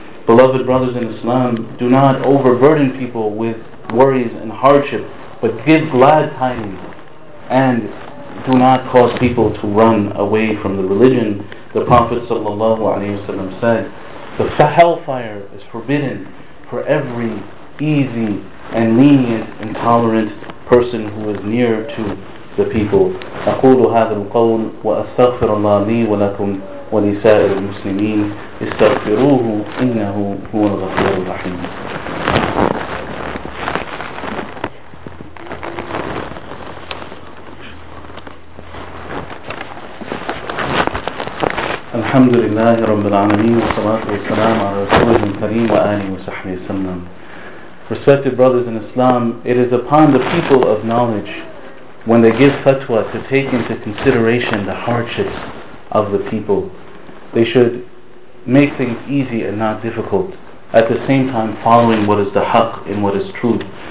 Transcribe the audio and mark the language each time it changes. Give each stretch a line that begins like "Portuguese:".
English: Beloved brothers in Islam, do not overburden people with worries and hardship, but give glad tidings, and do not cause people to run away from the religion. The Prophet ﷺ said, the hellfire is forbidden for every easy and lenient and tolerant person who is near to the people.
Arabic: أقول هذا القول وأستغفر الله لي ولكم ولسائر المسلمين استغفروه إنه هو الغفور الرحيم. الحمد لله رب العالمين والصلاة والسلام على رسوله الكريم وآله وصحبه وسلم.
English: Respected brothers in Islam, it is upon the people of knowledge, when they give fatwa, to take into consideration the hardships of the people. They should make things easy and not difficult, at the same time following what is the haqq and what is truth.